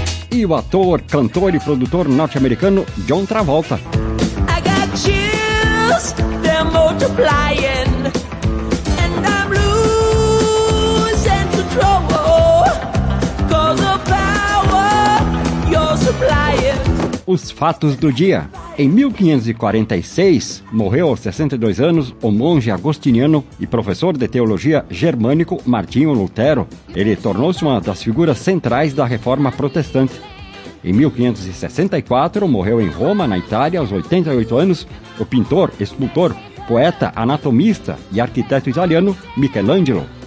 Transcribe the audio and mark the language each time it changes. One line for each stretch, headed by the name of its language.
Portuguese: E o ator, cantor e produtor norte-americano John Travolta.
English: I got chills, they're multiplying, and I'm losing control, 'cause the power you're supplying.
Portuguese: Os fatos do dia. Em 1546, morreu aos 62 anos o monge agostiniano e professor de teologia germânico Martinho Lutero. Ele tornou-se uma das figuras centrais da reforma protestante. Em 1564, morreu em Roma, na Itália, aos 88 anos, o pintor, escultor, poeta, anatomista e arquiteto italiano Michelangelo.